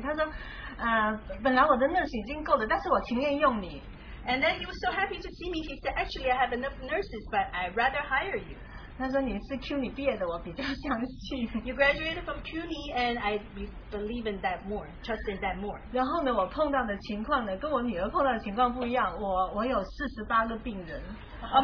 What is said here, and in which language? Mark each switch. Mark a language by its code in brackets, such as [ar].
[zh] 他就很高兴，他说还很高兴见到你。他说，本来我的 nurse 已经够了，但是我情愿用你。 [en] And then he was so happy to see me. He said, actually, I have enough nurses, but I'd rather hire you. [zh] 他说你是 CUNY 毕业的，我比较相信。 [en] You graduated from CUNY, and I believe in that more, trust in that more. [zh] 然后呢，我碰到的情况呢，跟我女儿碰到的情况不一样。我有48个病人。 [en] Oh,